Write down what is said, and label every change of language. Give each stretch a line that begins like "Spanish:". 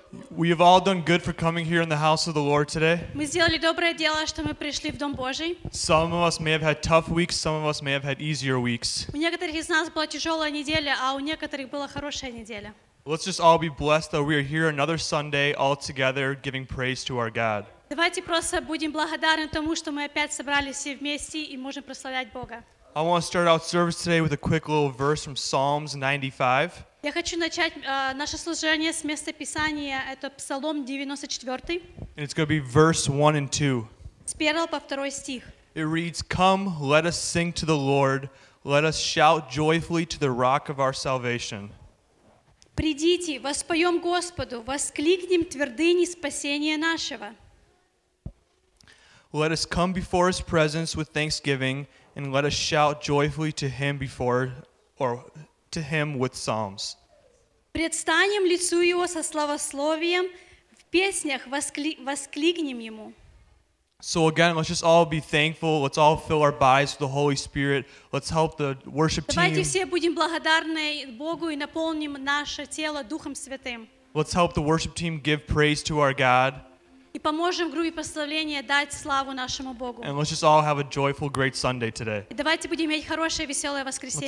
English: We have all done good for coming here in the house of the Lord today.
Russian: Мы сделали доброе дело, что мы пришли в дом Божий.
English: Some of us may have had tough weeks, some of us may have had easier weeks.
Russian: У некоторых из нас была тяжелая неделя, а у некоторых была хорошая неделя.
English: Let's just all be blessed that we are here another Sunday all together giving praise to our God.
Russian: Давайте просто будем благодарны тому, что мы опять собрались все вместе и можем прославлять Бога.
English: I want to start out service today with a quick little verse from Psalms 95.
Russian: Я хочу начать наше служение с места Писания, это Псалом 94.
English: And it's going to be verse 1 and 2.
Russian: С первого по второй стих.
English: It reads, "Come, let us sing to the Lord, let us shout joyfully to the rock of our salvation."
Russian: Придите, воспоем Господу, воскликнем твердыни спасения нашего.
English: Let us come before His presence with thanksgiving. And let us shout joyfully to Him before, or to Him with psalms.
Russian: Предстанем лицу Его со славословием, в песнях воскликнем Ему.
English: So again, let's just all be thankful. Let's all fill our bodies with the Holy Spirit. Let's help the worship team.
Russian: Давайте все будем благодарны Богу и наполним наше тело Духом Святым.
English: Let's help the worship team give praise to our God.
Russian: И поможем группе прославления дать славу нашему Богу.
English: And let's just all have a joyful, great Sunday today.
Russian: И давайте будем иметь хорошее, веселое воскресенье.